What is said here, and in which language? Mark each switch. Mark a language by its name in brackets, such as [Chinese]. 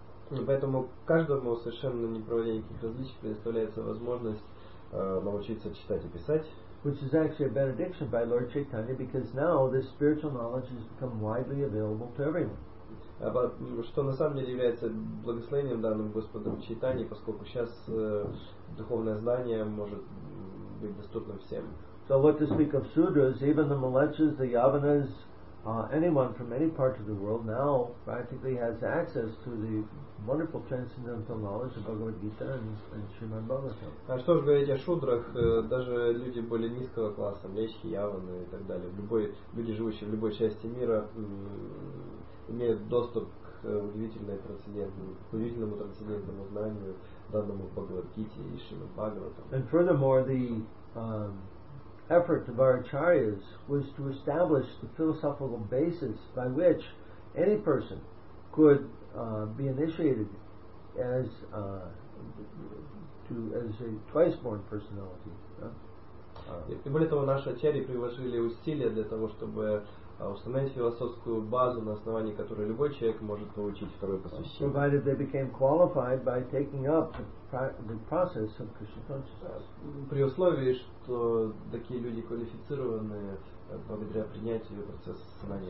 [Russian] И поэтому каждому совершенно не проводя никаких различий предоставляется возможность научиться читать и писать. [English] Which is actually a benediction by Lord Chaitanya, because now this spiritual knowledge has become widely available to everyone. [Russian] Что на самом деле является благословением данным Господом Чайтани, поскольку сейчас духовное знание может быть доступно всем. [English] So what to speak of sudras, even the malechas, the yavanas, anyone from any part of the world now practically has access to the wonderful transcendental knowledge of Bhagavad Gita and Srimad Bhagavatam. [Russian] А что же говорить о шудрах, даже люди более низкого класса, лечхи, яваны и так далее, люди, живущие в любой части мира, имеют доступ к удивительному трансцендентному знанию, данному Бхагавад Гите и Шримад Бхагаватам. [English] And furthermore, the effort of our acharyas was to establish the philosophical basis by which any person could be initiated as as a twice born personality. [Russian] И более того, наши ачарьи приложили усилия для того, чтобы установить философскую базу, на основании которой любой человек может получить второе посвящение. [English] Provided they became qualified by taking up the process of Krishna consciousness. [Russian] При условии, что такие люди квалифицированы благодаря принятию процесса сознания